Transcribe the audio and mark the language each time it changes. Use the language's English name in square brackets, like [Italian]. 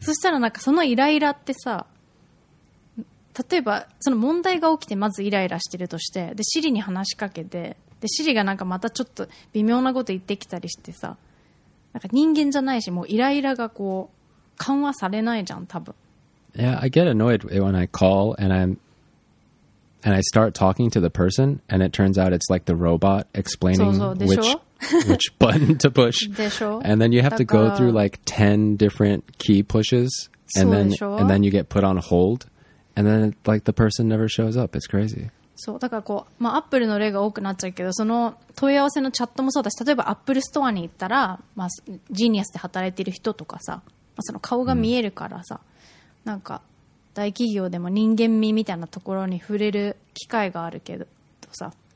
[Japanese] そしたらなんかそのイライラってさ、例えばその問題が起きてまずイライラしてるとして、でシリに話しかけて、でシリがなんかまたちょっと微妙なこと言ってきたりしてさ、なんか人間じゃないし、もうイライラがこう緩和されないじゃん多分。 [English] Yeah, I get annoyed when I call and I start talking to the person and it turns out it's like the robot explaining which button to push. [Japanese] でしょ? [English] And then you have to go through like 10 different key pushes and then you get put on hold and then like the person never shows up. It's crazy. [Japanese] そう、だからこう、まあ、Apple の例が多くなっちゃうけど、その問い合わせのチャットもそうだし、例えば Apple Store に行ったら、まあ、ジーニアスで働いている人とかさ、まあ、その顔が見えるからさ、なんか大企業でも人間味みたいなところに触れる機会があるけどさ、